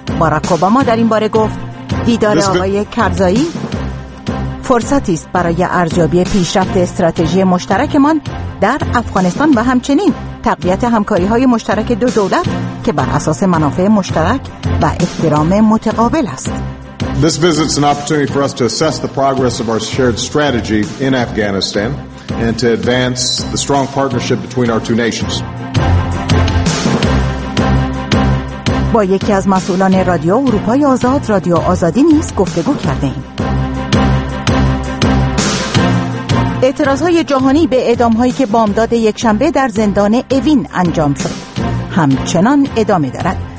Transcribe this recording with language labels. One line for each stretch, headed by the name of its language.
Persian: باراک اوباما در این باره گفت دیدار آقای کرزایی فرصتی است برای ارزیابی پیشرفت استراتژی مشترکمان در افغانستان و همچنین تقویت همکاری‌های مشترک دو دولت که بر اساس منافع مشترک و احترام متقابل است.
English: This visit is an opportunity for us to assess the progress of our shared strategy in Afghanistan and to advance the strong partnership between our two nations.
Persian: با یکی از مسئولان رادیو اروپای آزاد، رادیو آزادی نیز گفتگو کردیم. اعتراض‌های جهانی به اعدام‌هایی که بامداد یکشنبه در زندان اوین انجام شد همچنان ادامه دارد.